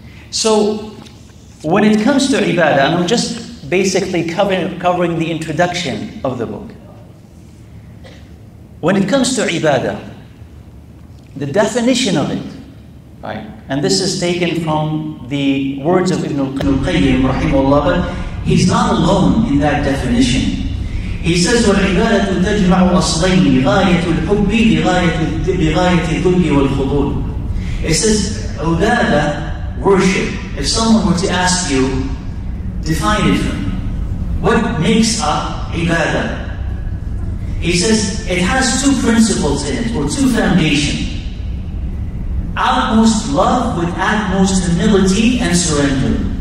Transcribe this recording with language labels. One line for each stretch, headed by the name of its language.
English: So when it comes to ibadah, and I'm just basically covering the introduction of the book. When it comes to ibadah, the definition of it, right? And this is taken from the words of Ibn Qayyim, rahimahullah, but he's not alone in that definition. He says,
Arabic: وَالْعِبَادَةُ تَجْمَعُ أَصْلَيْنِ غَايَةُ الْحُبِّ بِغَايَةِ الدُّلِّ وَالْخُضُورِ.
English: It says, عُبَادَة, worship. If someone were to ask you, define it for me. What makes up ibadah? He says, it has two principles in it, or two foundations. Outmost love with utmost humility and surrender.